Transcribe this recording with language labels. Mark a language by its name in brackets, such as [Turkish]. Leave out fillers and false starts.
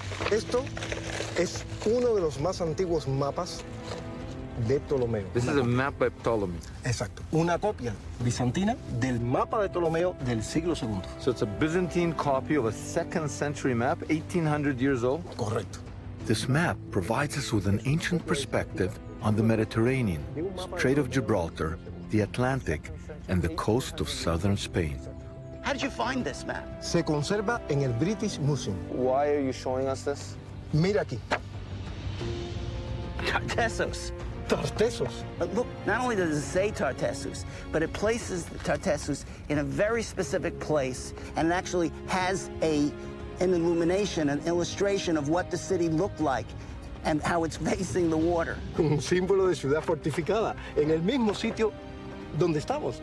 [Spanish] Esto es uno de los más antiguos mapas de Ptolomeo. [English] This is a map by Ptolemy. [Spanish] Exacto. Una copia bizantina del mapa de Ptolomeo del siglo II. [English] So it's a Byzantine copy of a second century map, 1800 years old? [Spanish] Correcto. [English] This map provides us with an ancient perspective on the Mediterranean, Strait of Gibraltar, the Atlantic, and the coast of southern Spain. How did you find this map? [Spanish] Se conserva en el British Museum. [English] Why are you showing us this? [Spanish] Mira aquí. Tartessos. Tartessos. [English] But look, not only does it say Tartessos, but it places Tartessos in a very specific place, and it actually has an illumination, an illustration of what the city looked like and how it's facing the water. [Spanish] Un símbolo de ciudad fortificada en el mismo sitio donde estamos.